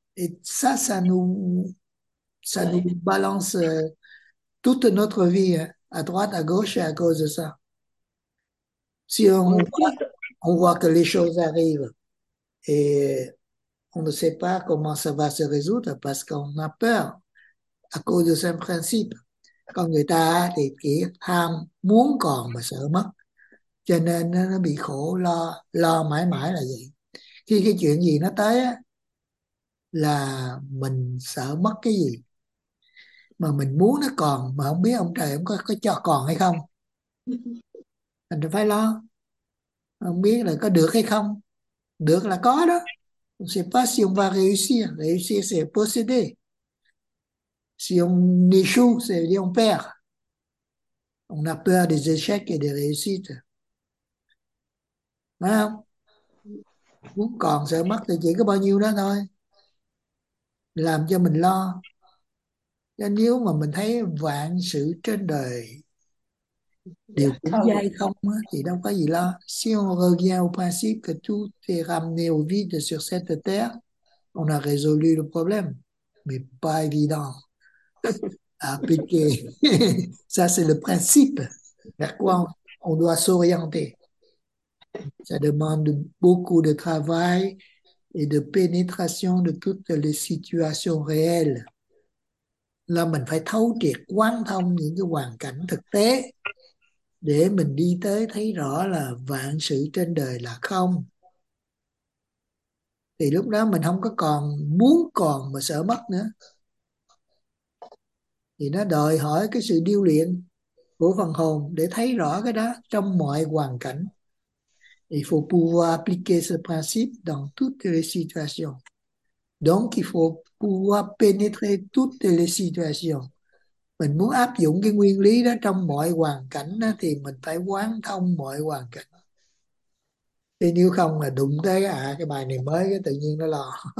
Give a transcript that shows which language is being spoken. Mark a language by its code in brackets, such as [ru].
[fr] Et ça nous balance toute notre vie, hein, à droite, à gauche, et à cause de ça. Si En on voit que les choses arrivent et on ne sait pas comment ça va se résoudre parce qu'on a peur à cause de ce principe. Quand [vi] người ta thì kiểu ham muốn còn mà sợ mất. Cho nên nó bị khổ lo, lo mãi mãi là vậy. Khi cái chuyện gì nó tới á, là mình sợ mất cái gì. Mà mình muốn nó còn, mà không biết ông trời ông có cho còn hay không. Mình phải lo. Không biết là có được hay không. Được là có đó. [fr] On sait pas si on va réussir. Réussir, c'est posséder. Si on échoue, c'est dire on perd. On a peur des échecs et des réussites. [vi] Phải không? Muốn còn sợ mất thì chỉ có bao nhiêu đó thôi. Làm cho mình lo. Nên nếu mà mình thấy vạn sự trên đời đều Dạ, cũng không. dây không thì đâu có gì lo. [fr] Si on revient au principe que tout est ramené au vide sur cette terre, on a résolu le problème. Mais pas évident. Appliquer. Ça, c'est le principe vers quoi on doit s'orienter. Ça demande beaucoup de travail et de pénétration de toutes les situations réelles. [vi] Là mình phải thấu triệt, quán thông những cái hoàn cảnh thực tế để mình đi tới thấy rõ là vạn sự trên đời là không. Thì lúc đó mình không có còn muốn còn mà sợ mất nữa. Thì nó đòi hỏi cái sự điêu luyện của phần hồn để thấy rõ cái đó trong mọi hoàn cảnh. [fr] Il faut pouvoir appliquer ce principe dans toutes les situations. Donc, il faut pouvoir pénétrer toutes les situations. [vi] Mình muốn áp dụng cái nguyên lý đó trong mọi hoàn cảnh đó, thì mình phải quán thông mọi hoàn cảnh. Thì nếu không là đụng tới cái bài này mới cái tự nhiên nó lo.